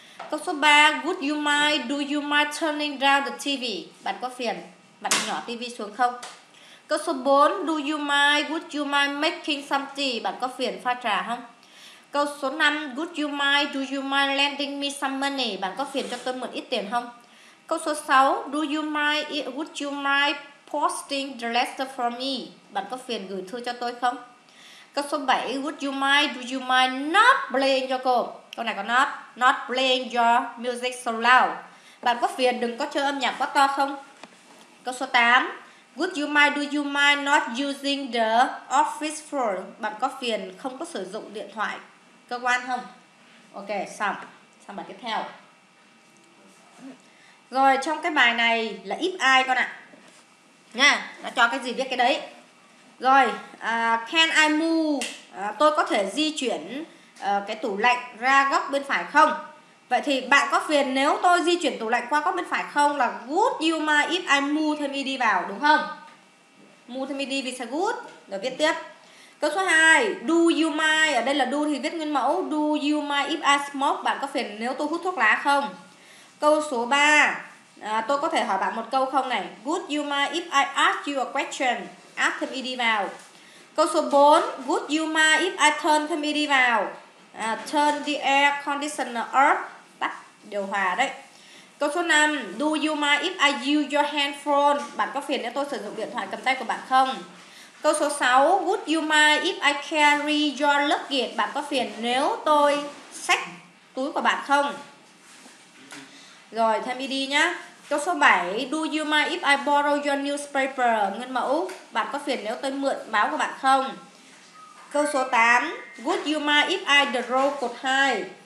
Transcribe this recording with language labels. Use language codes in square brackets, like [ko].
[en] Câu số 3, would you mind, do you mind turning down the TV? [vi] Bạn có phiền, bạn nhỏ TV xuống không? [en] Câu số 4, do you mind, would you mind making some tea? [vi] Bạn có phiền pha trà không? [en] Câu số 5, would you mind, do you mind lending me some money? [vi] Bạn có phiền cho tôi mượn ít tiền không? [en] Câu số 6, do you mind, would you mind posting the letter for me? [vi] Bạn có phiền gửi thư cho tôi không? [en] Câu số 7, would you mind, do you mind not playing your cô? Câu này có not, not playing your music so loud. [vi] Bạn có phiền đừng có chơi âm nhạc quá to không? [en] Câu số 8, would you mind, do you mind not using the office phone? [vi] Bạn có phiền không có sử dụng điện thoại cơ quan không? Ok, xong. Xong bài tiếp theo. Rồi trong cái bài này là if I con ạ. Nha, nó cho cái gì viết cái đấy. Rồi, [en] can I move, [vi] tôi có thể di chuyển cái tủ lạnh ra góc bên phải không? Vậy thì bạn có phiền nếu tôi di chuyển tủ lạnh qua góc bên phải không? Là [en] would you mind if I move [vi] thêm ed vào, đúng không? Move thêm ed vì sao good? Rồi viết tiếp. Câu số 2, do you mind, ở đây là do thì viết nguyên mẫu. [en] Do you mind if I smoke, [vi] bạn có phiền nếu tôi hút thuốc lá không? Câu số 3, tôi có thể hỏi bạn một câu không này? [en] Would you mind if I ask you a question? [vi] Add thêm ed vào. [en] Câu số 4, would you mind if I turn thêm ed vào? Turn the air conditioner off, [vi] tắt điều hòa đấy. [en] Câu số 5, do you mind if I use your handphone? [vi] Bạn có phiền nếu tôi sử dụng điện thoại cầm tay của bạn không? [en] Câu số 6, would you mind if I carry your luggage? [vi] Bạn có phiền nếu tôi xách túi của bạn không? [en] Rồi, thêm ed nhá. Câu số 7, do you mind if I borrow your newspaper? [vi] Nguyên mẫu, bạn có phiền nếu tôi mượn báo của bạn không? Câu số 8, [en] would you mind if I drove [vi] cột 2?